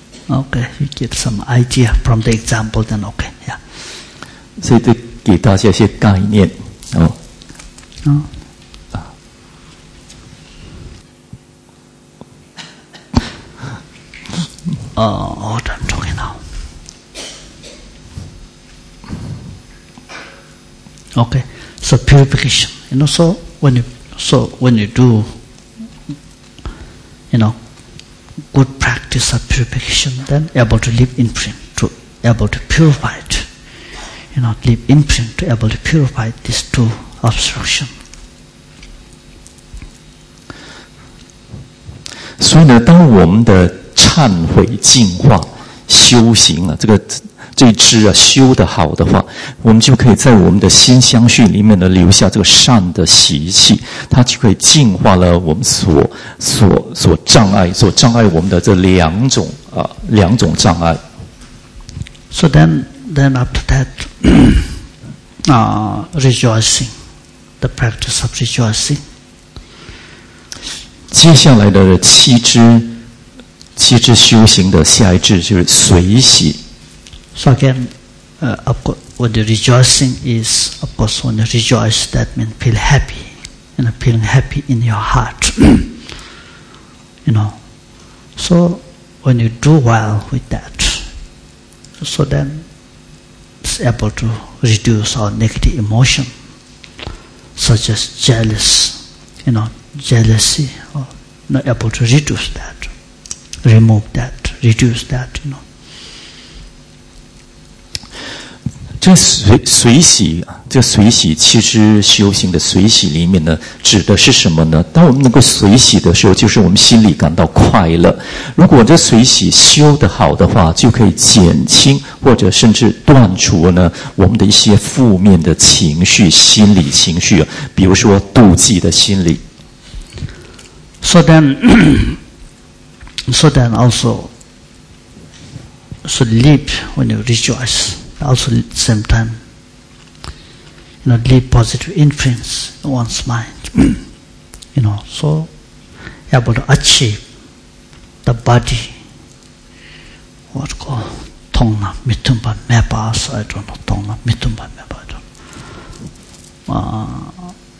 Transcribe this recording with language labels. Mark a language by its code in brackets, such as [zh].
[en] Okay, you get some idea from the example, then okay, yeah. [zh] 所以对给大家一些概念哦。 [en] I'm talking now. Okay, so purification. You know, so when you do, you know, good practice of purification, then able to live in print, to able to purify it. Not leave imprint to able to purify these two obstructions. [zh] 所以呢，当我们的忏悔、净化、修行啊，这支啊修得好的话，我们就可以在我们的心相续里面呢留下这个善的习气，它就可以净化了我们所障碍我们的这两种障碍。 [en] So then. Then after that, rejoicing, the practice of rejoicing. [zh] 接下来的七支修行的下一支就是随喜。 [en] So again, of course, when the rejoicing is, of course, when you rejoice, that means feel happy, you know, feeling happy in your heart. You know, so when you do well with that, so then,able to reduce our negative emotion such as jealousy, or not able to reduce that, remove that, reduce that, you know. [zh] 这 随喜这随喜其实修行的随喜里面呢指的是什么呢？当我们能够随喜的时候，就是我们心里感到快乐。如果这随喜修得好的话，就可以减轻或者甚至断除呢我们的一些负面的情绪，心理情绪，比如说妒忌的心理。 [en] So then also leap when you rejoice also at the same timeNot leave positive influence in one's mind. You know, so able to achieve the body, what call [bo] Tongna, Mitumba, Mepa, [en] I don't know, Tongna, Mitumba, Mepa, I don't know.